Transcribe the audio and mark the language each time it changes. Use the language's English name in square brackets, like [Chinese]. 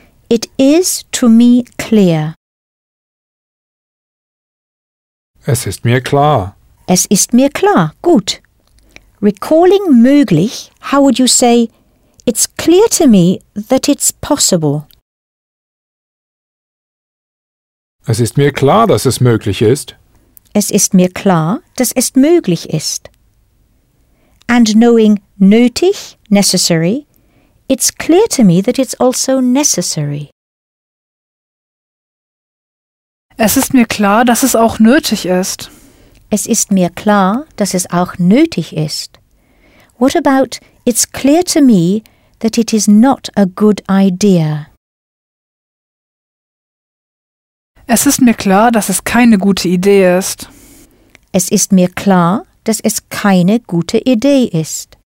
[English] It is to me clear. [German] Es ist mir klar. Es ist mir klar. Gut. [English] Recalling möglich, how would you say, it's clear to me that it's possible? [German] Es ist mir klar, dass es möglich ist. Es ist mir klar, dass es möglich ist. [English] And knowing nötig, necessary, it's clear to me that it's also necessary. [German] Es ist mir klar, dass es auch nötig ist. Es ist mir klar, dass es auch nötig ist. [English] What about, it's clear to me that it is not a good idea? [German] Es ist mir klar, dass es keine gute Idee ist. Es ist mir klar, dass es keine gute Idee ist.